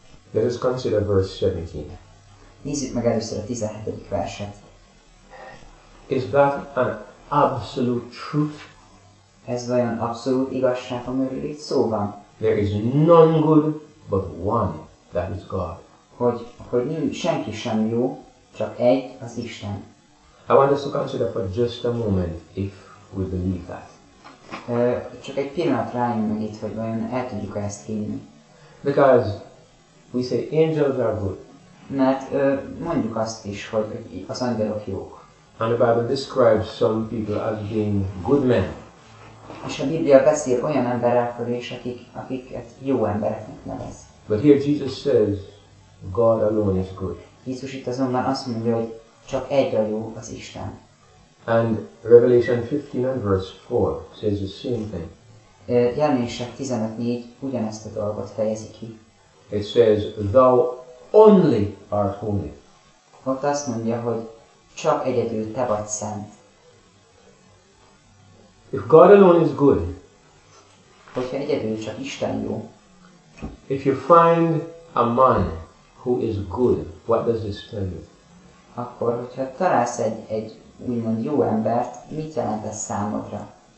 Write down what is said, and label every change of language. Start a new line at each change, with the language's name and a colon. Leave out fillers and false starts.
English: Let us consider verse 17.
Hungarian: Nézzük meg először a 17. verset.
English: Is that an absolute truth?
Hungarian: Ez vajon abszolút igazság, amiről itt szó van?
English: There is none good but one, that is God.
Hungarian: Hogy senki sem jó, csak egy, az Isten.
English: I want us to consider for just a moment if we believe that.
Hungarian: Csak egy pillanat rájön meg itt, hogy vajon el tudjuk ezt hinni.
English: Because we say angels are good.
Hungarian: Mert mondjuk azt is, hogy az angyalok jók.
English: And the Bible describes some people as being good men.
Hungarian: És a Biblia beszél olyan emberekről is, akiket jó embereknek nevez.
English: But here Jesus says, God alone is good.
Hungarian: Jézus itt azonban azt mondja, hogy csak egy a jó, az Isten.
English: And Revelation 15 verse 4 says the same thing.
Hungarian: Jelenések 15:4 ugyanezt a dolgot fejezi ki.
English: It says, thou only art holy.
Hungarian: Ott azt mondja, hogy csak egyedül te vagy szent.
English: If God alone is good,
Hungarian: hogyha egyedül csak Isten jó,
English: if you find a man who is good, what does this tell you?
Hungarian: Akkor, hogyha találsz egy úgymond jó embert, mit jelent ez számodra?